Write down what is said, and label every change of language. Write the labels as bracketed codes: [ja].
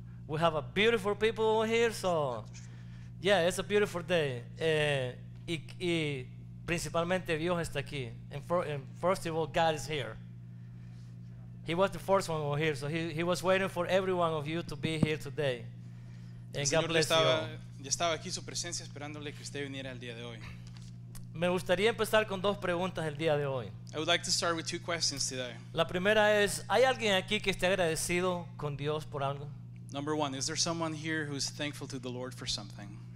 [en] We have a beautiful people here. So, yeah, it's a beautiful day. [es] Y principalmente Dios está aquí. [en] And first of all, God is here. He was the first one over here. So he was waiting for every one of you to be here today. And God bless you all. [es] Ya estaba aquí su presencia esperándole que usted viniera el día de hoy. Me gustaría empezar con dos preguntas el día de hoy. [en] I would like to start with two questions today. [es] La primera es, ¿hay alguien aquí que esté agradecido con Dios por algo? [en] Number one, is there someone here who's thankful to the Lord for something?